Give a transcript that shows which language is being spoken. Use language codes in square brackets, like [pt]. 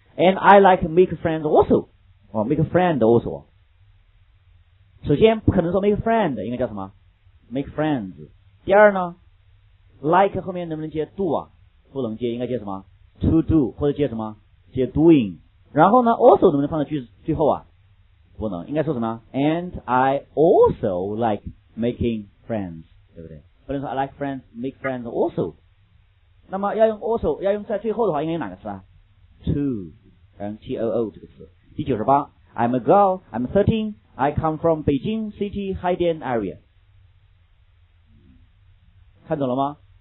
[en] And I like make friends also、oh, make friend also。 [zh] 首先不可能说 [en] make friend， [zh] 应该叫什么？ [en] make friends。 [zh] 第二呢， like 后面能不能接 do 啊？不能接，应该接什么？to do， 或者接什么？接 doing。然后呢， also 能不能放在句子最后啊？不能，应该说什么？ [en] and I also like making friends， [zh] 对不对？不能说 [en] I like friends make friends also。 [zh] 那么要用 also， 要用在最后的话应该用哪个词啊？to， 要用 too 这个词。第98， [en] I'm a girl， I'm 13，I come from Beijing City Haidian Area。 [zh] 看懂了吗？